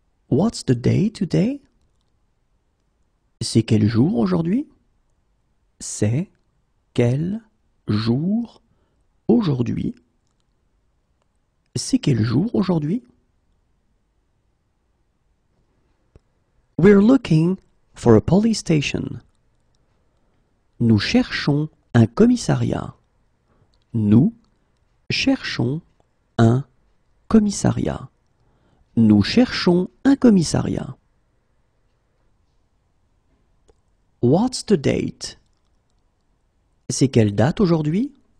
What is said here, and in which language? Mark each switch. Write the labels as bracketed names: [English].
[English] What's the day today? [French] C'est quel jour aujourd'hui? C'est quel jour aujourd'hui? C'est quel jour aujourd'hui? [English] We're looking for a police station. [French] Nous cherchons un commissariat. Nous cherchons un commissariat. Nous cherchons un commissariat. [English] What's the date? [French] C'est quelle date aujourd'hui?